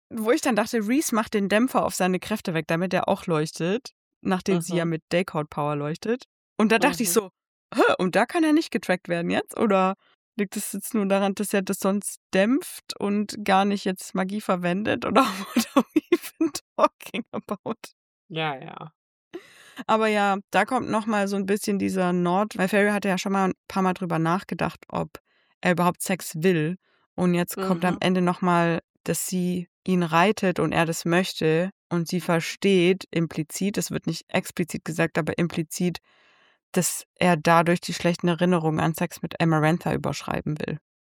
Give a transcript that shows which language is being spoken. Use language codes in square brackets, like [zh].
[de] Wo ich dann dachte, Reese macht den Dämpfer auf seine Kräfte weg, damit er auch leuchtet, nachdem sie ja mit Daycourt-Power leuchtet. Und da dachte ich so, und da kann er nicht getrackt werden jetzt? Oder liegt es jetzt nur daran, dass er das sonst dämpft und gar nicht jetzt Magie verwendet? [en] Oder what are we even talking about? [de] Ja, ja. Aber ja, da kommt nochmal so ein bisschen dieser Nord, weil Farrah hatte ja schon mal ein paar Mal drüber nachgedacht, ob er überhaupt Sex will. Und jetzt kommt am Ende nochmal, dass sie ihn reitet und er das möchte und sie versteht implizit, das wird nicht explizit gesagt, aber implizit, dass er dadurch die schlechten Erinnerungen an Sex mit Amarantha überschreiben will.